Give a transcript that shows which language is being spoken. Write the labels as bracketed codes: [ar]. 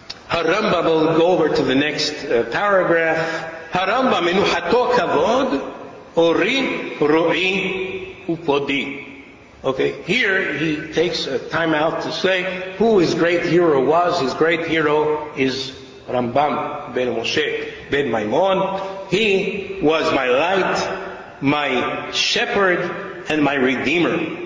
[en] הרמב״ם, we'll go over to the next paragraph. [he] הרמב״ם מנוחתו כבוד, אורי רועי ופודי. [en] Okay, here he takes a time out to say who his great hero was. His great hero is Rambam ben Moshe ben Maimon. He was my light, my shepherd, and my redeemer.